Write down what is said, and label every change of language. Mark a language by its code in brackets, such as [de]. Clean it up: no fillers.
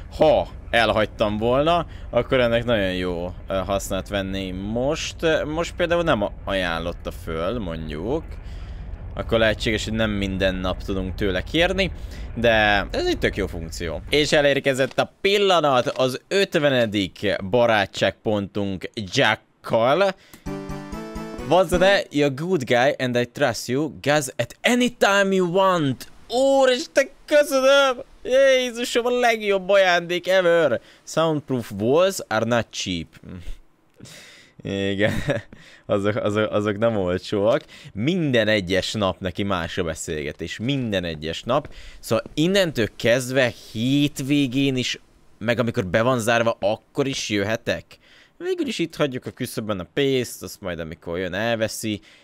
[hu] Ha elhagytam volna, akkor ennek nagyon jó hasznát venném most. Most például nem ajánlotta föl, mondjuk. akkor lehetséges, hogy nem minden nap tudunk tőle kérni, de ez egy tök jó funkció. És elérkezett a pillanat az 50. barátságpontunk Jack-kal. [en] What's that? You're a good guy and I trust you, guys, at any time you want. [hu] Úristen, köszönöm! Jézusom, a legjobb ajándék ever! [en] Soundproof walls are not cheap. [hu] Igen, azok nem olcsóak. Minden egyes nap neki más a beszélgetés, minden egyes nap. Szóval innentől kezdve hétvégén is, meg amikor be van zárva, akkor is jöhetek. Végül is itt hagyjuk a küszöbben a pénzt, azt majd amikor jön elveszi.